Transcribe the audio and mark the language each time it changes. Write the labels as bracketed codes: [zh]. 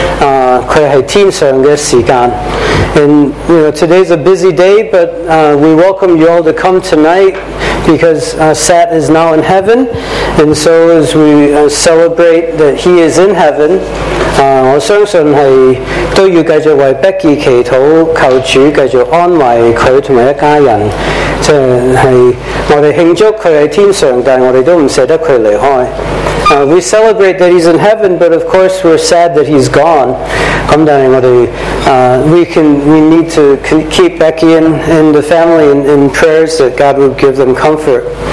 [en] And you know, today is a busy day, but we welcome you all to come tonight because Sat is now in heaven, and so as we celebrate that he is in heaven, [zh] 我相信都要继续为Becky祈祷，求主继续安慰他和一家人，我们庆祝他在天上，但我们都不舍得他离开。 [en] We celebrate that he's in heaven, but of course we're sad that he's gone. [zh] 但是我们， [en] we need to keep Becky and the family in prayers that God will give them comfort.